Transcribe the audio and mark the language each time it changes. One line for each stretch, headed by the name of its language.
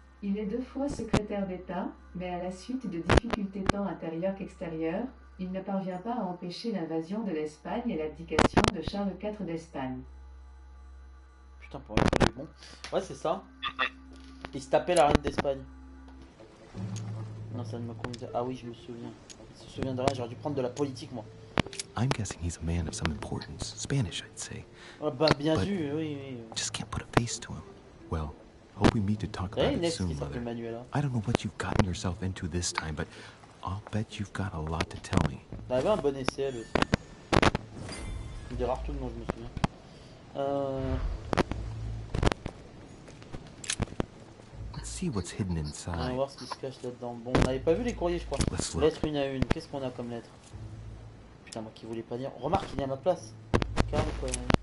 French: Il est deux fois secrétaire d'État, mais à la suite de difficultés tant intérieures qu'extérieures, il ne parvient pas à empêcher l'invasion de l'Espagne et l'abdication de Charles IV d'Espagne. Putain, pour être bon. Ouais, c'est ça. Il se tapait la reine d'Espagne. Non, ça ne me convient pas. Ah oui, je me souviens. Il se souvient de rien, j'aurais dû prendre de la politique, moi.
English: I'm guessing he's a man of some importance. Spanish, I'd say.
French: Ah bah, bien vu, oui, oui.
English: Just can't put a face to him. Well, hope we meet to talk about it soon, mother. Manuela. I don't know what you've gotten yourself into this time, but I'll bet you've got a lot to tell me.
French: Il avait un bon essai, elle aussi. Il est rare tout le monde, je me souviens.
English: See what's hidden inside.
French: On va voir ce qui se cache là-dedans. Bon, on n'avait pas vu les courriers, je crois. Lettre une à une. Qu'est-ce qu'on a comme lettre? Putain, moi qui voulais pas dire. Remarque, il est à ma place. Calme, quoi. Même.